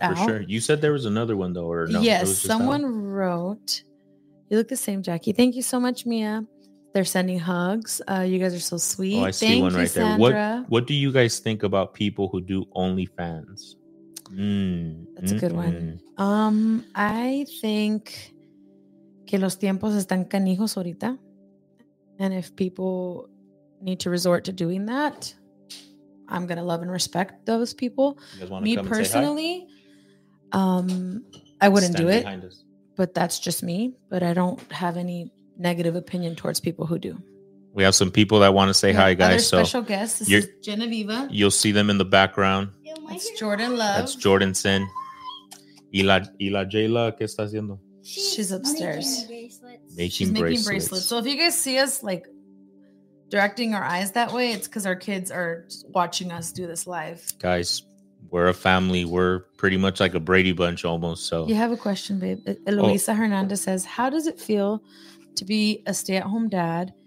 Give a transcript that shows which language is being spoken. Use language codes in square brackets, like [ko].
[en] Yeah, for sure. You said there was another one, though, or no? Yes, someone wrote... You look the same, Jackie. Thank you so much, Mia. They're sending hugs. You guys are so sweet. Oh, I see one right there. What do you guys think about people who do OnlyFans? That's a good one. I think [es] que los tiempos están canijos ahorita. [en] And if people need to resort to doing that, I'm going to love and respect those people. You guys me come personally, and say hi? I wouldn't stand do it. Behind us. But that's just me. But I don't have any negative opinion towards people who do. We have some people that want to say hi, guys. Other special guests. This is Genevieve. You'll see them in the background. It's Jordan Love. That's Jordan Sin. [es] Y la Jayla, ¿qué está haciendo? [en] She's upstairs. Making bracelets. So if you guys see us like directing our eyes that way, it's because our kids are watching us do this live. Guys, we're a family. We're pretty much like a Brady Bunch almost. So you have a question, babe. Eloisa Hernandez says, how does it feel to be a stay-at-home dad?